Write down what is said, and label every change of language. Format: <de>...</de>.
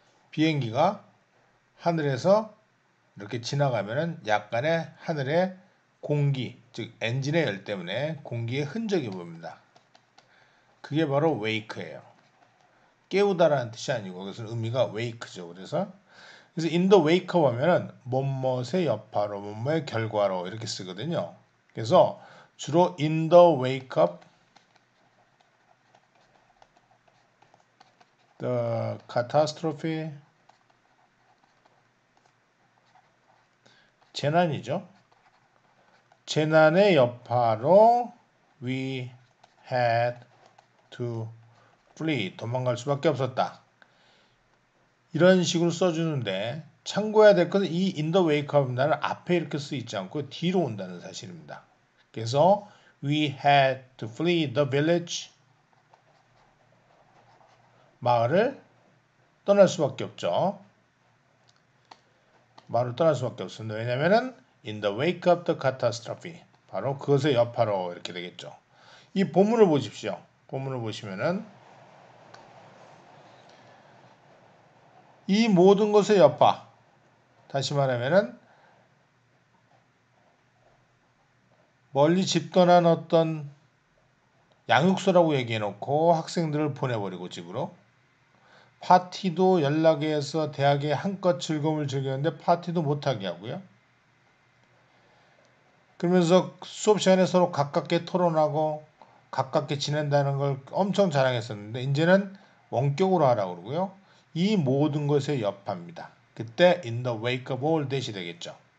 <ko>비행기가 하늘에서 이렇게 지나가면은 약간의 하늘의 공기, 즉 엔진의 열 때문에 공기의 흔적이 보입니다. 그게 바로 웨이크예요. 깨우다라는 뜻이 아니고 그것은 의미가 웨이크죠. 그래서 in the wake 하면은 뭐뭐의 여파로, 뭐뭐의 결과로 이렇게 쓰거든요.</ko> <en>그래서 주로 in the wake up The catastrophe,</en> <ko>재난이죠. 재난의 여파로</ko> <en>we had to flee,</en> <ko>도망갈 수밖에 없었다. 이런 식으로 써주는데 참고해야 될 것은 이 in the wake of 날을 앞에 이렇게 쓰이지 않고 뒤로 온다는 사실입니다.</ko> <en>그래서 we had to flee the village,</en> <ko>마을을 떠날 수밖에 없죠. 마을을 떠날 수밖에 없습니다. 왜냐하면</ko> <en>in the wake of the catastrophe,</en> <ko>바로 그것의 여파로 이렇게 되겠죠. 이 본문을 보십시오. 본문을 보시면은 이 모든 것의 여파, 다시 말하면은 멀리 집 떠난 어떤 양육소라고 얘기해 놓고 학생들을 보내버리고 집으로. 파티도 연락에 해서 대학의 한껏 즐거움을 즐겼는데 파티도 못하게 하고요. 그러면서 수업 시간에 서로 가깝게 토론하고 가깝게 지낸다는 걸 엄청 자랑했었는데 이제는 원격으로 하라고 그러고요. 이 모든 것의 여파입니다. 그때</ko> <en>in the wake of all that이 되겠죠.</en>